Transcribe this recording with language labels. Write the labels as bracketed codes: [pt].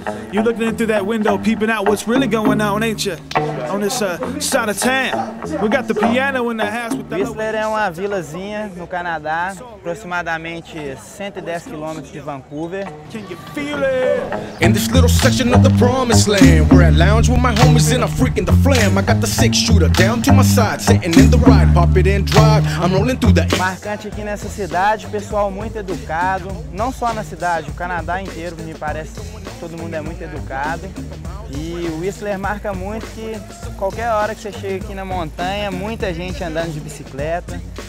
[en] You looking in through that window, peeping out what's really going on, ain't you? On this side of town, we got the piano in the house. [pt] Whistler é uma vilazinha no Canadá, aproximadamente 110 quilômetros de Vancouver. [en] Can you feel it? In this little section of the promised land, we're at lounge with my homies and I'm freaking the flam. I got the six shooter down to my side, sitting in the ride, pop it and drive. I'm rolling through the. [pt] Marcante aqui nessa cidade, pessoal muito educado. Não só na cidade, o Canadá inteiro me parece. Todo mundo é muito educado e o Whistler marca muito que qualquer hora que você chega aqui na montanha, muita gente andando de bicicleta.